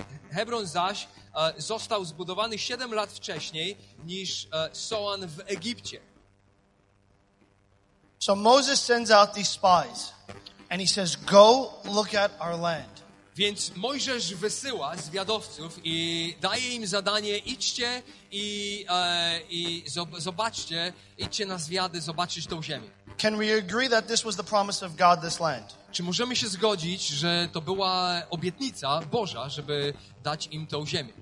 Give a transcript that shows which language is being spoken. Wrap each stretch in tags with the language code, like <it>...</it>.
<pl>Hebron zaś został zbudowany 7 lat wcześniej niż Soan w Egipcie.</pl> <en>So Moses sends out these spies and he says, go look at our land.</en> <pl>Więc Mojżesz wysyła zwiadowców i daje im zadanie: idźcie i zobaczcie, idźcie na zwiady, zobaczyć tą ziemię.</pl> <en>Can we agree that this was the promise of God, this land?</en> <pl>Czy możemy się zgodzić, że to była obietnica Boża, żeby dać im tą ziemię?</pl>